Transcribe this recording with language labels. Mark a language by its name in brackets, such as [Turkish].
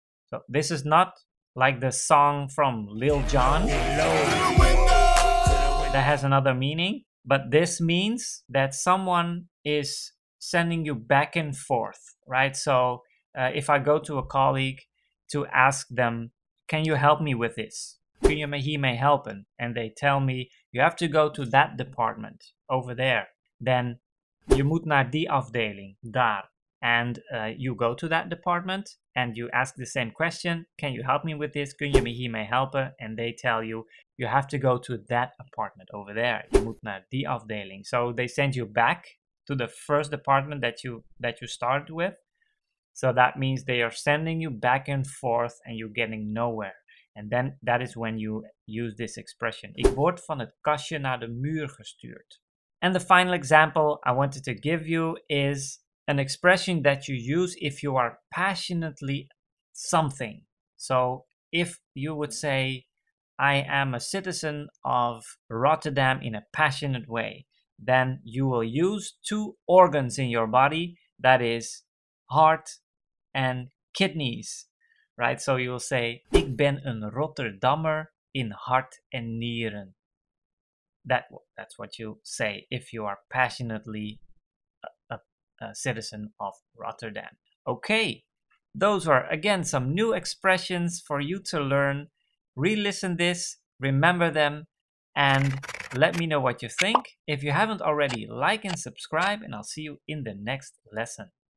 [English] So this is not like the song from Lil Jon that has another meaning, but this means that someone is sending you back and forth, right? So if I go to a colleague to ask them, can you help me with this? He may help him, and they tell me, you have to go to that department over there. Then you [Dutch] moet naar die afdeling, daar. [English] And you go to that department and you ask the same question. Can you help me with this? [Dutch] Kun je me hiermee helpen? [English] And they tell you, you have to go to that apartment over there. [Dutch] Je moet naar die afdeling. [English] So they send you back to the first department that you started with. So that means they are sending you back and forth and you're getting nowhere. And then that is when you use this expression. [Dutch] Ik word van het kastje naar de muur gestuurd. [English] And the final example I wanted to give you is an expression that you use if you are passionately something. So if you would say, I am a citizen of Rotterdam in a passionate way, then you will use two organs in your body, that is heart and kidneys, right? So you will say, [Dutch] ik ben een Rotterdammer in hart en nieren. [English] That's what you say if you are passionately a citizen of Rotterdam. Okay, those are again some new expressions for you to learn. Re-listen this, remember them, and let me know what you think. If you haven't already, like and subscribe, and I'll see you in the next lesson.